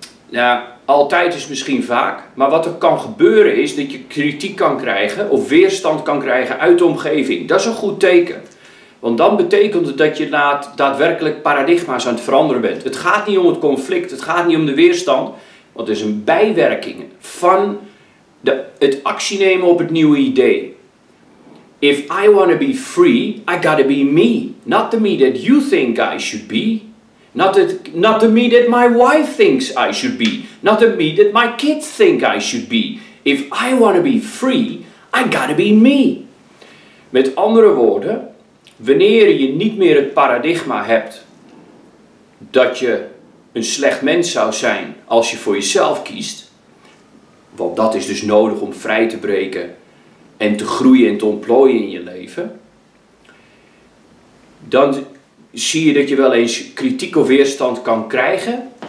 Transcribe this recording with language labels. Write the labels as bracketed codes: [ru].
[nl] Ja, altijd is misschien vaak, maar wat er kan gebeuren is dat je kritiek kan krijgen of weerstand kan krijgen uit de omgeving. Dat is een goed teken. Want dan betekent het dat je daadwerkelijk paradigma's aan het veranderen bent. Het gaat niet om het conflict, het gaat niet om de weerstand. Want het is een bijwerking van het actie nemen op het nieuwe idee. [en] If I want to be free, I gotta be me. Not the me that you think I should be. Not the me that my wife thinks I should be. Not the me that my kids think I should be. If I want to be free, I gotta be me. [nl] Met andere woorden, wanneer je niet meer het paradigma hebt dat je een slecht mens zou zijn als je voor jezelf kiest, want dat is dus nodig om vrij te breken en te groeien en te ontplooien in je leven, dan zie je dat je wel eens kritiek of weerstand kan krijgen.